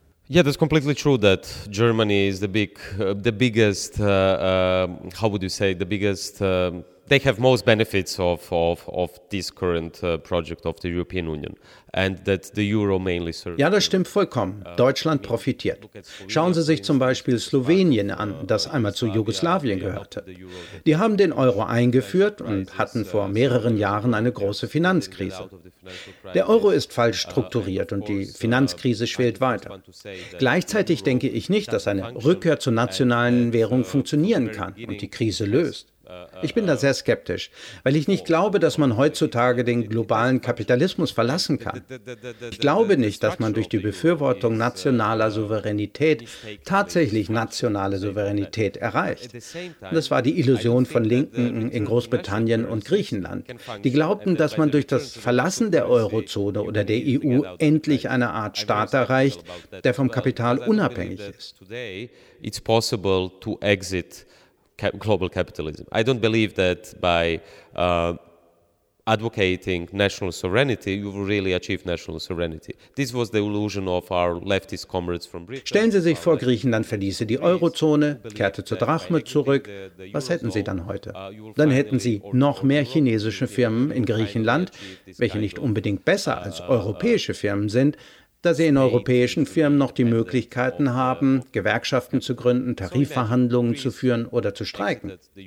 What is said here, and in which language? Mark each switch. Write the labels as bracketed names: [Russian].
[English] Yeah, that's completely true that Germany is the big, the biggest, how would you say, the biggest, they have most benefits of this current project of the European Union. And that the Euro mainly serves. [German] Ja, das stimmt vollkommen. Deutschland profitiert. Schauen Sie sich zum Beispiel Slowenien an, das einmal zu Jugoslawien gehörte. Die haben den Euro eingeführt und hatten vor mehreren Jahren eine große Finanzkrise. Der Euro ist falsch strukturiert und die Finanzkrise schwelt weiter. Gleichzeitig denke ich nicht, dass eine Rückkehr zur nationalen Währung funktionieren kann und die Krise löst. Ich bin da sehr skeptisch, weil ich nicht glaube, dass man heutzutage den globalen Kapitalismus verlassen kann. Ich glaube nicht, dass man durch die Befürwortung nationaler Souveränität tatsächlich nationale Souveränität erreicht. Und das war die Illusion von Linken in Großbritannien und Griechenland. Die glaubten, dass man durch das Verlassen der Eurozone oder der EU endlich eine Art Staat erreicht, der vom Kapital unabhängig ist. [English] It's possible to exit global capitalism. I don't believe that by advocating national sovereignty, you will really achieve national sovereignty. This was the illusion of our leftist comrades from Britain. [German] Stellen Sie sich vor, Griechenland verließe die Eurozone, kehrte zur Drachme zurück. Was hätten Sie dann heute? Dann hätten Sie noch mehr chinesische Firmen in Griechenland, welche nicht unbedingt besser als europäische Firmen sind, da sie in europäischen Firmen noch die Möglichkeiten haben, Gewerkschaften zu gründen, Tarifverhandlungen zu führen oder zu streiken.